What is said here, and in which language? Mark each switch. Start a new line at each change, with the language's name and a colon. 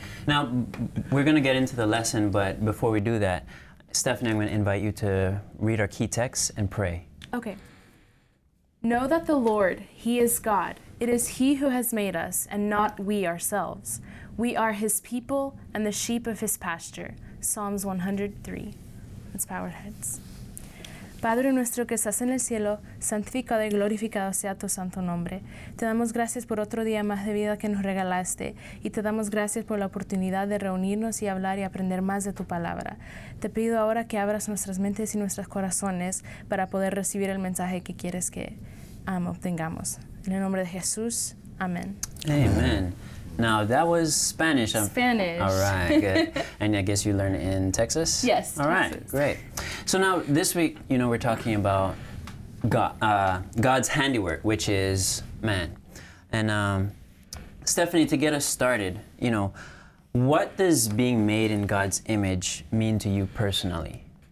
English: Now, we're going to get into the lesson, but before we do that, Stephanie, I'm going to invite you to read our key text and pray. Okay. Know that the Lord, he is God. It is he who has made us and not we ourselves. We are his people and the sheep of his pasture. Psalms 103. That's Powered Heads.
Spanish: Padre nuestro que estás en el cielo, santificado y glorificado sea tu santo nombre. Te damos gracias por otro día más de vida que nos regalaste y te damos gracias por la oportunidad de reunirnos y hablar y aprender más de tu palabra. Te pido ahora que abras nuestras mentes y nuestros corazones para poder recibir el mensaje que quieres que obtengamos. En el nombre de Jesús, amén.
English: Amen. Now, that was Spanish. Spanish. All right, good. And I guess you learned in Texas? Yes, all right, Texas. Great. So now, this week, you know, we're talking about God's handiwork, which is man. And Stephanie, to get us started, you know, what does being made in God's image mean to you personally?